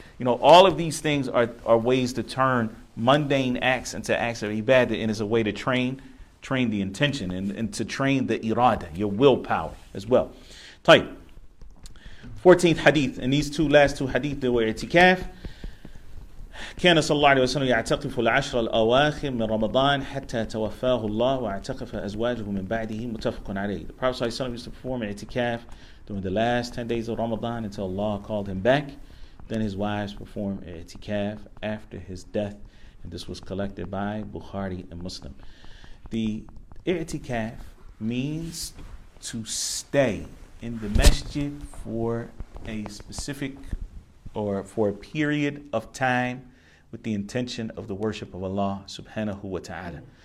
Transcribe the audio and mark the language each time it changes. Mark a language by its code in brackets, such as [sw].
[en] You know, all of these things are ways to turn mundane acts into acts of ibadah, and is a way to train the intention and to train the irada, your willpower as well. Type 14th hadith, and these two last two hadith, they were itikaf. [ar] كان صلى الله عليه وسلم يعتقف العشر الأواخر من رمضان حتى توفاه الله واعتقف أزواجه من بعده متفق عليه. [en] The Prophet [ar] صلى الله عليه وسلم [en] used to perform itikaf during the last 10 days of Ramadan until Allah called him back. Then his wives performed itikaf after his death, and this was collected by Bukhari and Muslim. The i'tikaf means to stay in the masjid for a specific or for a period of time with the intention of the worship of Allah subhanahu wa ta'ala.